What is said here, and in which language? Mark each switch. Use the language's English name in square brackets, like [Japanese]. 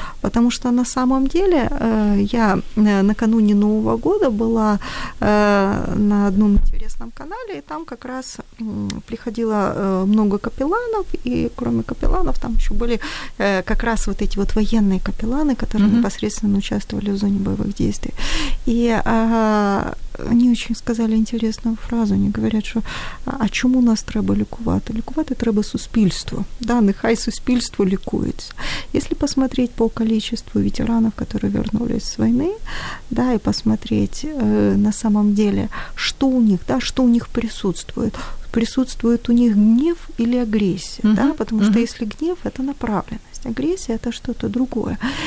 [Russian] Потому что на самом деле я накануне Нового года была на одном интересном канале, и там как раз приходило много капелланов, и кроме капелланов там еще были как раз вот эти вот военные капелланы, которые непосредственно участвовали в зоне боевых действий. И они очень сказали интересную фразу. Они говорят, что [Ukrainian] а чому нас треба лікувати? Лікувати треба суспільство. Да, нехай суспільство лікується. [Russian] Если посмотреть по количеству ветеранов, которые вернулись с войны, да, и посмотреть на самом деле, что у них, да, что у них присутствует. Присутствует у них гнев или агрессия, да, потому что если гнев, это направленность, агрессия – это что-то другое.